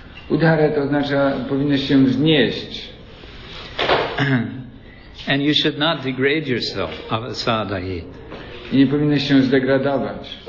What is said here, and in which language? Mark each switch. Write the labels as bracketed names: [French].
[Polish] Udhare to oznacza powinieneś się wznieść. [English] And you should not degrade yourself. [Sanskrit] Avasadahi. [Polish] I nie powinieneś się zdegradować.